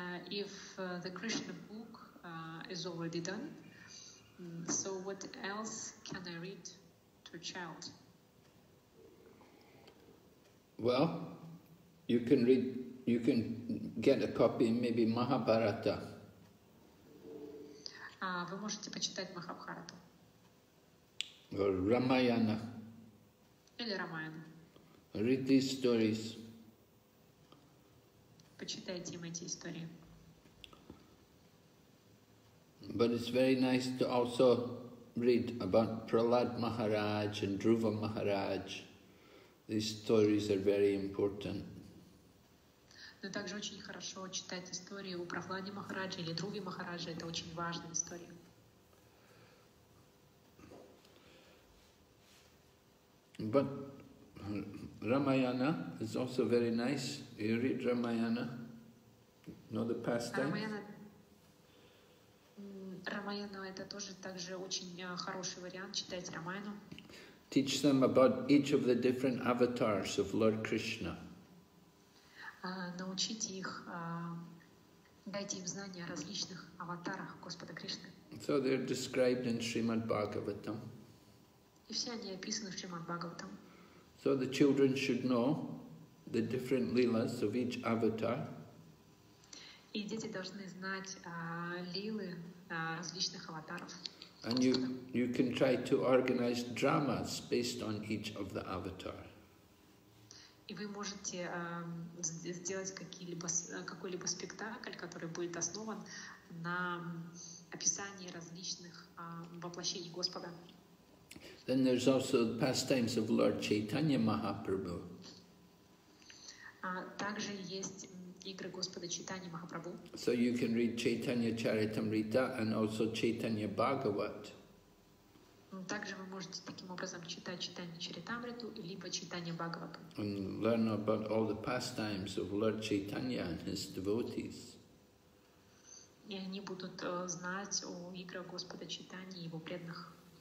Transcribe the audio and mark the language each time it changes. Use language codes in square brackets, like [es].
[en] If the Krishna book is already done. So what else can I read to a child? Well, you can read, you can get a copy maybe Mahabharata. [ru] Вы можете почитать Махабхарату. [en] Or Ramayana. [ru] Или Рамаяна. [en] Read these stories. [ru] Почитайте им эти истории. [en] But it's very nice to also read about Prahlad Maharaj and Dhruva Maharaj. These stories are very important. [ru] Но также очень хорошо читать истории о Прахладе Махарадже или Друве Махарадже. Это очень важная история. [en] But Ramayana is also very nice. You read Ramayana? Know the pastime? [ru] Рамаяну это тоже также очень хороший вариант читать Рамаяну. [en] Teach them about each of the different avatars of Lord Krishna. [ru] Научите их, дайте им знания о различных аватарах Господа Кришны. [en] So they're described in Srimad Bhagavatam. [ru] И все они описаны в Шримад Бхагаватам. [en] So the children should know the different lilas of each avatar. [ru] И дети должны знать лилы различных аватаров. [en] And you can try to organize dramas based on each of the avatar. [ru] И вы можете сделать какой-либо спектакль, который будет основан на описании различных воплощений Господа. [en] Then there's also the pastimes of Lord Chaitanya Mahaprabhu. [ru] Также есть игры Господа Чайтаньи Махапрабху. [en] So you can read Chaitanya Charitamrita and also Chaitanya Bhagavat. [ru] Также вы можете таким образом читать Чайтанья Чаритамриту либо Чайтанья Бхагавату. [en] And learn about all the pastimes of Lord Chaitanya and his devotees. [ru] И они будут знать о играх Господа Чайтаньи и его преданных.